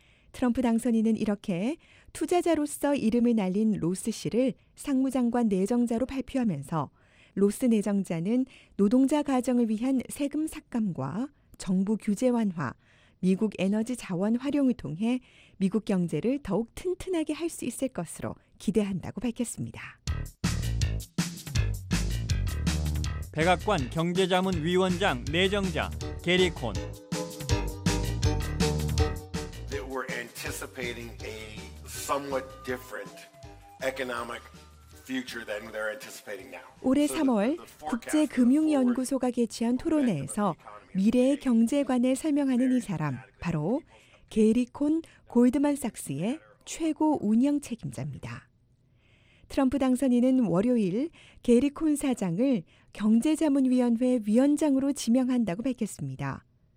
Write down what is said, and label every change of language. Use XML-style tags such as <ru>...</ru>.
<ko>트럼프 당선인은 이렇게 투자자로서 이름을 날린 로스 씨를 상무장관 내정자로 발표하면서 로스 내정자는 노동자 가정을 위한 세금 삭감과 정부 규제 완화, 미국 에너지 자원 활용을 통해 미국 경제를 더욱 튼튼하게 할 수 있을 것으로 기대한다고 밝혔습니다. 백악관 경제자문위원장 내정자 게리 콘.</ko> <en>Anticipating a somewhat different economic future than they're anticipating now.</en> <ko>올해 3월 국제금융연구소가 개최한 토론회에서 미래의 경제에 관해 설명하는 이 사람 바로 게리 콘 골드만삭스의 최고 운영 책임자입니다. 트럼프 당선인은 월요일 게리 콘 사장을 경제자문위원회 위원장으로 지명한다고 밝혔습니다.</ko>